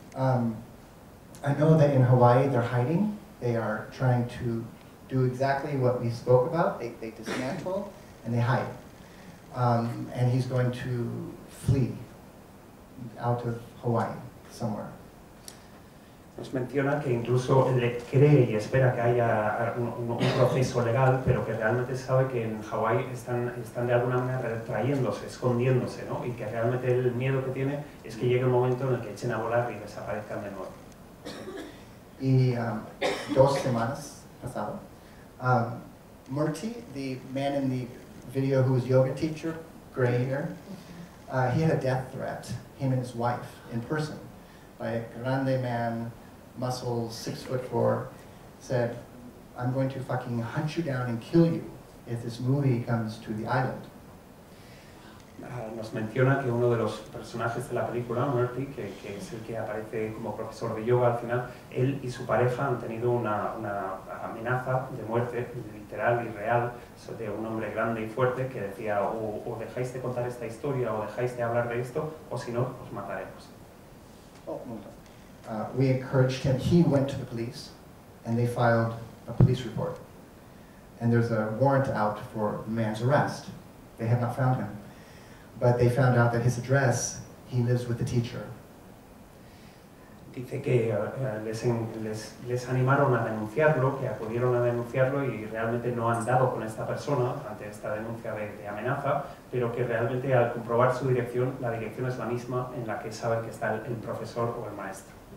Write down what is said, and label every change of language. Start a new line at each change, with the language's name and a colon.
English: I know that in Hawaii they're hiding. They are trying to do exactly what we spoke about. They dismantle and they hide. And he's going to flee out of Hawaii somewhere.
Spanish: Nos menciona que incluso le cree y espera que haya un proceso legal, pero que realmente sabe que en Hawaii están de alguna manera retrayéndose, escondiéndose, ¿no? Y que realmente el miedo que tiene es que llegue un momento en el que echen a volar y desaparezcan de nuevo. Y 2 semanas pasado,
English: Murthy, the man in the video who was yoga teacher, gray hair, he had a death threat, him and his wife, in person, by a grande man, muscles, 6'4", said, I'm going to fucking hunt you down and kill you if this movie comes to the island.
Spanish: Nos menciona que uno de los personajes de la película, Murthy, que es el que aparece como profesor de yoga al final, él y su pareja han tenido una amenaza de muerte, literal y real, de un hombre grande y fuerte que decía, o dejáis de contar esta historia, o dejáis de hablar de esto, o si no, os mataremos.
English: We encouraged him. He went to the police, and they filed a police report. And there's a warrant out for the man's arrest. They have not found him. But they found out that his address, he lives with the teacher.
Spanish: Dice que les animaron a denunciarlo, que acudieron a denunciarlo y realmente no han dado con esta persona ante esta denuncia de amenaza, pero que realmente al comprobar su dirección, la dirección es la misma en la que saben que está el profesor o el maestro.